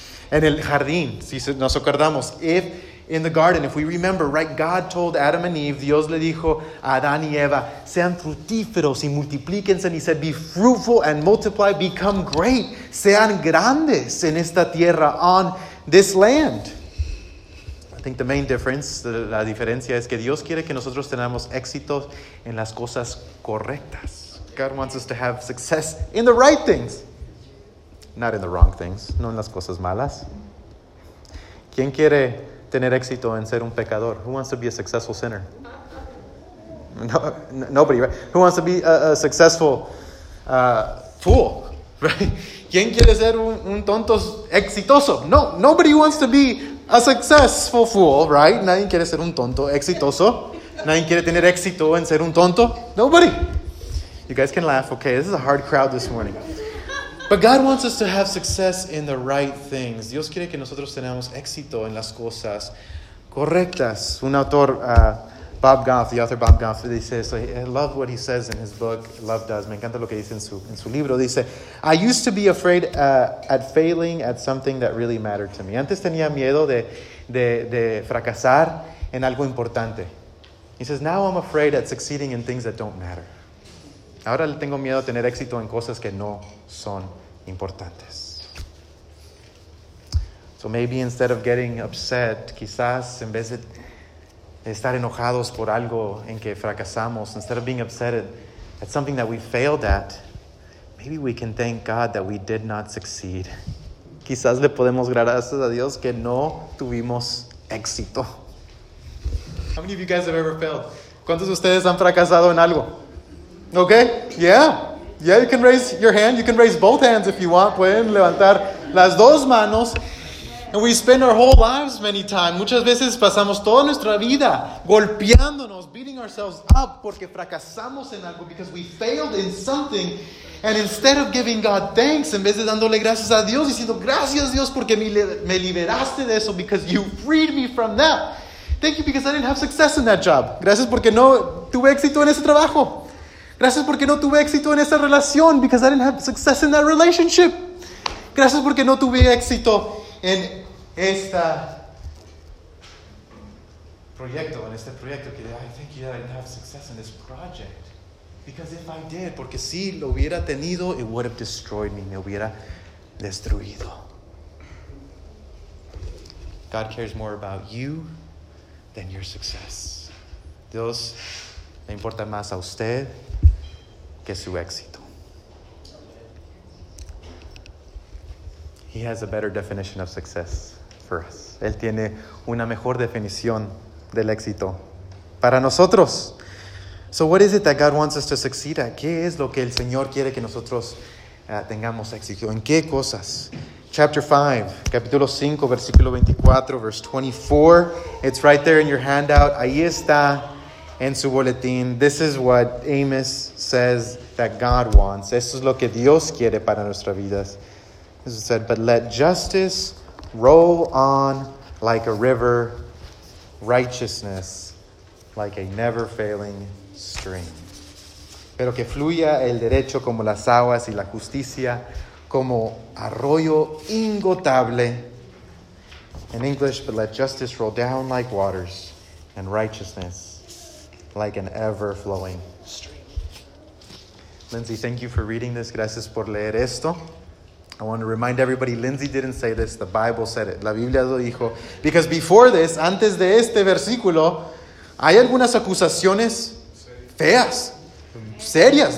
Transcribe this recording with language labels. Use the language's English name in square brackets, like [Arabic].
[Spanish] En el jardín, si nos acordamos, [English] if we remember, God told Adam and Eve, [Spanish] Dios le dijo a Adán y Eva, sean frutíferos y multiplíquense, [English] and he said, be fruitful and multiply, become great, [Spanish] sean grandes en esta tierra, [English] on this land. I think the main difference, [Spanish] la diferencia es que Dios quiere que nosotros tengamos éxito en las cosas correctas. [English] God wants us to have success in the right things. Not in the wrong things, [Spanish] no en las cosas malas. ¿Quién quiere tener éxito en ser un pecador? [English] Who wants to be a successful sinner? No, nobody, right? Who wants to be a successful fool, right? [Spanish] ¿Quién quiere ser un tonto exitoso? [English] No, nobody wants to be a successful fool, right? [Spanish] Nadie quiere ser un tonto exitoso. Nadie quiere tener éxito en ser un tonto. [English] Nobody. You guys can laugh, okay? This is a hard crowd this morning. But God wants us to have success in the right things. [Spanish] Dios quiere que nosotros tengamos éxito en las cosas correctas. Un autor, Bob Goff, dice eso. [English] I love what he says in his book, Love Does. [Spanish] Me encanta lo que dice en su libro. [English] Dice, I used to be afraid at failing at something that really mattered to me. [Spanish] Antes tenía miedo de fracasar en algo importante. [English] He says, now I'm afraid at succeeding in things that don't matter. [Spanish] Ahora le tengo miedo a tener éxito en cosas que no son importantes. [English] So maybe instead of getting upset, [Spanish] quizás en vez de estar enojados por algo en que fracasamos, [English] instead of being upset at something that we failed at, maybe we can thank God that we did not succeed. [Spanish] Quizás le podemos gracias a Dios que no tuvimos éxito. [English] How many of you guys have ever failed? [Spanish] ¿Cuántos de ustedes han fracasado en algo? Okay, yeah. [English] Yeah, you can raise your hand. You can raise both hands if you want. [Spanish] Pueden levantar las dos manos. [English] And we spend our whole lives many times. [Spanish] Muchas veces pasamos toda nuestra vida golpeándonos, [English] beating ourselves up [Spanish] porque fracasamos en algo, [English] because we failed in something. And instead of giving God thanks, [Spanish] en vez de dándole gracias a Dios, diciendo gracias Dios porque me liberaste de eso, [English] because you freed me from that. Thank you because I didn't have success in that job. [Spanish] Gracias porque no tuve éxito en ese trabajo. Gracias porque no tuve éxito en esa relación, [English] because I didn't have success in that relationship. [Spanish] Gracias porque no tuve éxito en esta proyecto, en este proyecto. [English] I thank you that I didn't have success in this project. Because if I did, [Spanish] porque si lo hubiera tenido, [English] it would have destroyed me, [Spanish] me hubiera destruido. [English] God cares more about you than your success. [Spanish] Dios le importa más a usted que su éxito. [English] He has a better definition of success for us. [Spanish] Él tiene una mejor definición del éxito para nosotros. [English] So what is it that God wants us to succeed at? [Spanish] ¿Qué es lo que el Señor quiere que nosotros tengamos éxito? ¿En qué cosas? [English] Chapter 5, [Spanish] capítulo 5, versículo 24, [English] verse 24. It's right there in your handout. [Spanish] Ahí está en su boletín. [English] This is what Amos says that God wants. [Spanish] Esto es lo que Dios quiere para nuestras vidas. [English] This is said, but let justice roll on like a river, righteousness like a never failing stream. [Spanish] Pero que fluya el derecho como las aguas y la justicia como arroyo ingotable. [English] In English, but let justice roll down like waters and righteousness like an ever-flowing stream. Lindsay, thank you for reading this. [Spanish] Gracias por leer esto. [English] I want to remind everybody, Lindsay didn't say this. The Bible said it. [Spanish] La Biblia lo dijo. [English] Because before this, [Spanish] antes de este versículo, hay algunas acusaciones feas, serias.